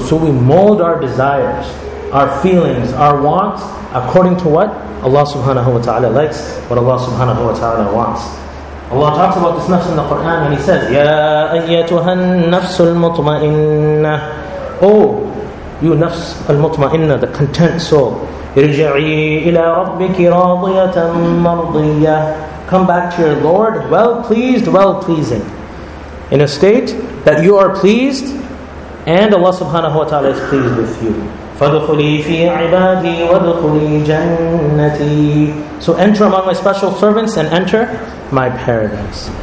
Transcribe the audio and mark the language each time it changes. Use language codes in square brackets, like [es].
[en] So we mold our desires, our feelings, our wants, according to what Allah subhanahu wa ta'ala likes, what Allah subhanahu wa ta'ala wants. Allah talks about this nafs in the Quran when He says, [ar] يَا أَيَّتُهَا النَّفْسُ الْمُطْمَئِنَّةِ [en] Oh, you nafs al-mutma'inna, the content soul. [ar] ارجعي إلى ربك راضية مرضية. [en] Come back to your Lord, well-pleased, well-pleasing. In a state that you are pleased, and Allah subhanahu wa ta'ala is pleased with you. [ar] فَدْخُلِي فِي عِبَادِي وَدْخُلِي جَنَّتِي [en] So enter among my special servants and enter my paradise.